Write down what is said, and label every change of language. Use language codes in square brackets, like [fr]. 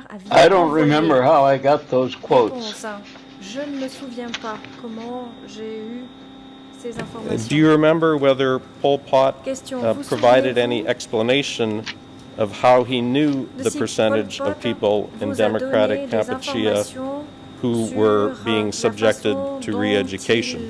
[en] I don't remember how I got those quotes. [fr] Je ne me souviens pas comment j'ai eu. [en] Do you remember whether Pol Pot provided any explanation of how he knew the percentage of people in Democratic Kampuchea who were being subjected to re-education?